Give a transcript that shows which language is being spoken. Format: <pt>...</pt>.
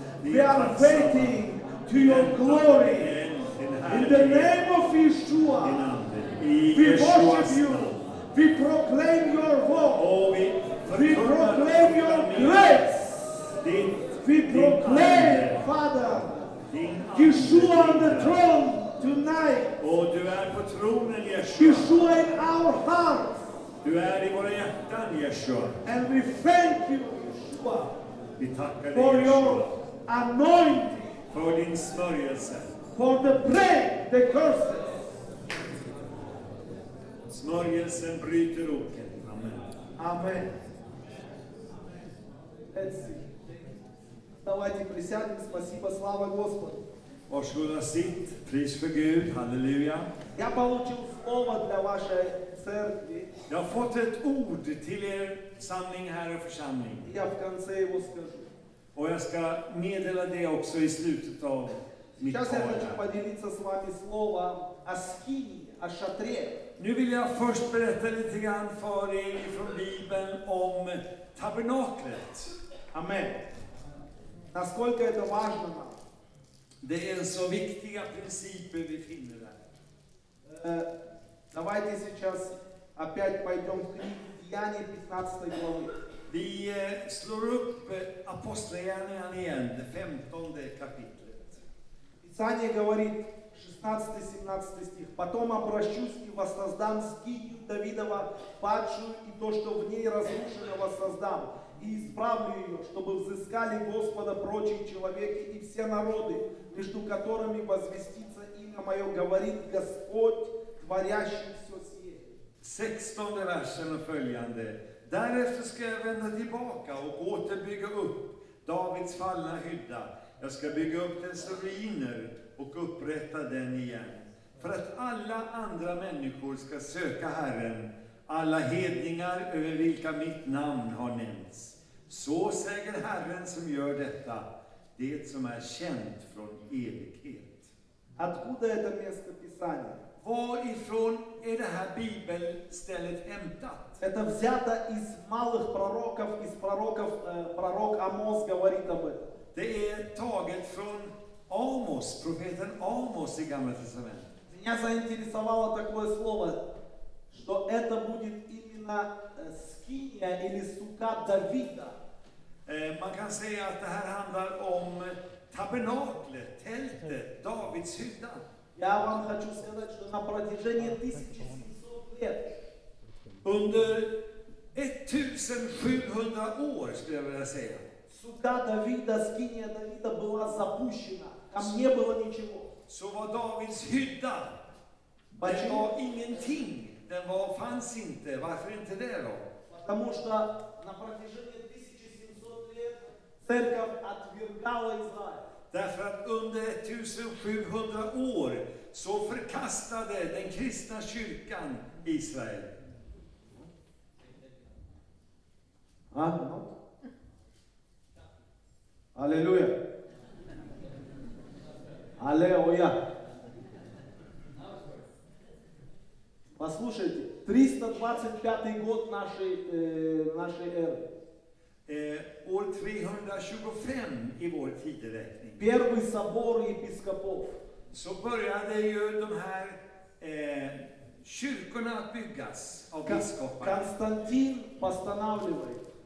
<en>We are waiting to your glory. In the name of Yeshua, we worship you. We proclaim your voice. We proclaim your grace. We proclaim, Father, Yeshua on the throne tonight. Yeshua in our hearts.</en> <sv>Du är i våra hjärtan, Yeshua.</sv> <en>And we thank you, Yeshua,</en> <sv>vi tackar dig,</sv> <en>for Yeshua, your anointing,</en> <sv>för din smörjelse,</sv> <en>for the break, the curses.</en> <sv>Smörjelsen bryter oken. Amen. Amen.</sv> <ru>Эти. Давайте присядем. Спасибо, слава Господу.</ru> <sv>Varsågod och sitt. Pris för Gud. Halleluja. Jag</sv> <ru>получил слово для вашей церкви.</ru> <sv>Jag har fått ett ord till er samling här och församling. Jag</sv> <ru>в конце его скажу.</ru> <sv>Och jag ska meddela det också i slutet av mitt tal.</sv> <ru>Сейчас я хочу поделиться с вами слово о скинии, о шатре.</ru> <sv>Nu vill jag först berätta lite grann för er från Bibeln om tabernaklet.</sv> <ru>Amen. Насколько это важно.</ru> <sv>Det är så viktiga principer vi finner där.</sv> <ru>Давайте сейчас опять пойдем в книгу Деяния 15 главы.</ru> <sv>Vi slår upp Apostlagärningarna igen, det 15 kapitlet.</sv> <ru>Писание говорит 16-17 стих. Потом обращусь и воссоздам скинию Давидова, падшую, и то, что в ней разрушено, воссоздам. И исправлю ее, чтобы взыскали Господа прочие человеки и все народы, между которыми возвестится имя мое, говорит Господь, творящий все сие.</ru> <sv>16 versen och följande. Därefter ska jag vända tillbaka och återbygga upp Davids fallna hydda. Jag ska bygga upp dess ruiner och upprätta den igen. För att alla andra människor ska söka Herren, alla hedningar över vilka mitt namn har nämnts. Så säger Herren som gör detta, det som är känt från evighet.</sv> <ru>Откуда это место писания?</ru> <sv>Varifrån är det här bibelstället hämtat?</sv> <ru>Это взято из малых пророков, из пророков, пророк Амос говорит об этом.</ru> <sv>Det är taget från Amos, profeten Amos i Gamla testamentet.</sv> <ru>Меня заинтересовало такое слово, что это будет именно скиния или сука Давида.</ru> <sv>Man kan säga att det här handlar om tabernaklet, tältet, Davids hydda. Jag vill säga att det är på</sv> <ru>протяжении</ru> <sv>1700 år. Under 1700 år skulle jag vilja säga.</sv> <ru>Сука Давида, скиния Давида была запущена. Там не было ничего.</ru> <sv>Så var Davids hydda. Det var ingenting. Den var, fanns inte. Varför inte det då?</sv> <ru>Потому что на протяжении 1700 лет церковь отвергала Израиль.</ru> <sv>Därför att under 1700 år så förkastade den kristna kyrkan Israel. Amen. Halleluja. Halleluja.</sv> <ru>Послушайте, 325 год нашей эры.</ru> <sv>År 325 i vår tideräkning.</sv> <ru>Первый собор епископов.</ru> <sv>Så började ju de här kyrkorna att byggas av biskopar.</sv> <ru>Константин постанавливает.</ru>